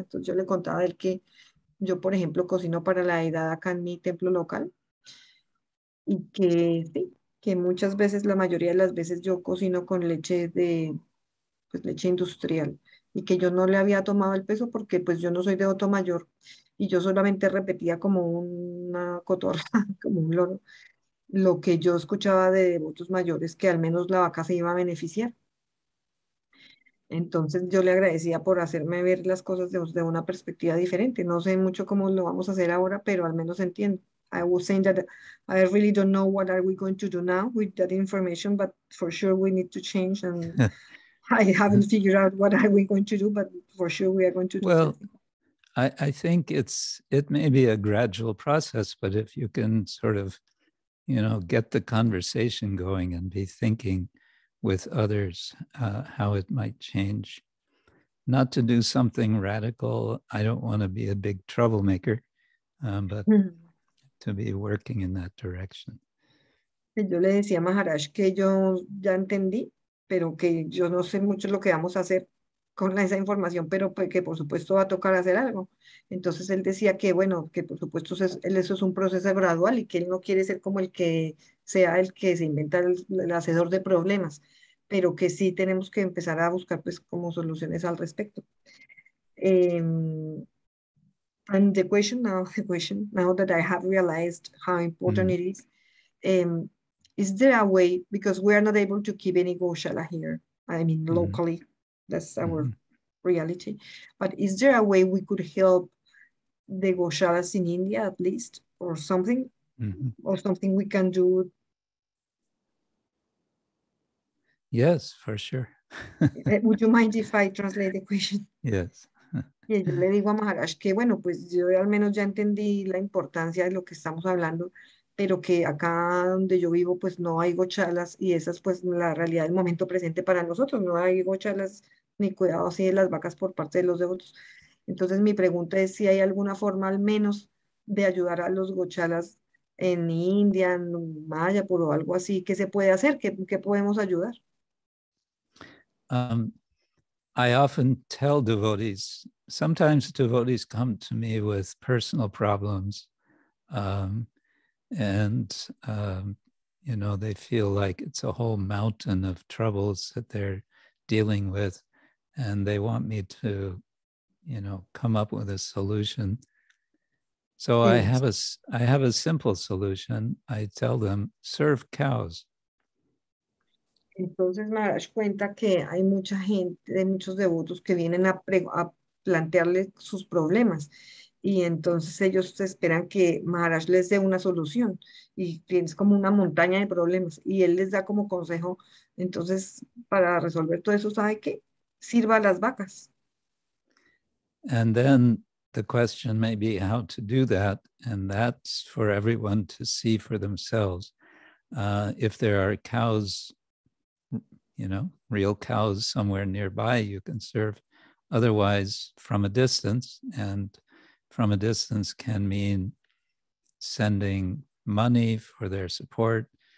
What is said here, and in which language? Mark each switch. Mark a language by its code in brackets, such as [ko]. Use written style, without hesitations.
[es] Entonces yo le contaba a él que yo, por ejemplo, cocino para la deidad acá en mi templo local y que sí, que muchas veces, la mayoría de las veces, yo cocino con leche de, pues, leche industrial, y que yo no le había tomado el peso porque pues yo no soy de Oto Mayor y yo solamente repetía como una cotorra, como un loro, lo que yo escuchaba de devotos mayores, que al menos la vaca se iba a beneficiar. Entonces yo le agradecía por hacerme ver las cosas de una perspectiva diferente. No sé mucho cómo lo vamos a hacer ahora, pero al menos entiendo. [en] I was saying that I really don't know what are we going to do now with that information, but for sure we need to change, and I haven't figured out what are we going to do, but for sure we are going to do well. I think it may be a gradual process, but if you can sort of, you know, get the conversation going and be thinking with others, how it might change. Not to do something radical. I don't want to be a big troublemaker, but to be working in that direction. [es] Yo le decía a Maharaj que yo ya entendí, pero que yo no sé mucho lo que vamos a hacer con esa información, pero que por supuesto va a tocar hacer algo. Entonces él decía que, bueno, que por supuesto eso es un proceso gradual y que él no quiere ser como el que sea el que se inventa el hacedor de problemas, pero que sí tenemos que empezar a buscar pues como soluciones al respecto. [en] And the question now that I have realized how important it is there a way, because we are not able to keep any goshala here, I mean locally, that's our reality, but is there a way we could help the goshalas in India at least, or something, or something we can do? Yes, for sure. Would you mind if I translate the question? Yes. [es] Y yo le digo a Maharaj que, bueno, pues yo al menos ya entendí la importancia de lo que estamos hablando, pero que acá donde yo vivo, pues no hay gochalas, y esa es pues la realidad del momento presente para nosotros. No hay gochalas ni cuidado así de las vacas por parte de los devotos. Entonces mi pregunta es si hay alguna forma al menos de ayudar a los gochalas en India, en Maya, por algo así, ¿qué se puede hacer? ¿Qué podemos ayudar? [en] I often tell devotees, sometimes devotees come to me with personal problems, you know, they feel like it's a whole mountain of troubles that they're dealing with, and they want me to, you know, come up with a solution. So yes. I have a simple solution. I tell them, serve cows. [es] Entonces Maharaj cuenta que hay mucha gente, hay muchos devotos que vienen a plantearle sus problemas, y entonces ellos esperan que Maharaj les dé una solución, y tienes como una montaña de problemas, y él les da como consejo, entonces para resolver todo eso, ¿sabe qué? Sirva a las vacas. [en] And then the question may be how to do that, and that's for everyone to see for themselves. If there are cows, you know, real cows somewhere nearby, you can serve. Otherwise, from a distance, and from a distance can mean sending money for their support.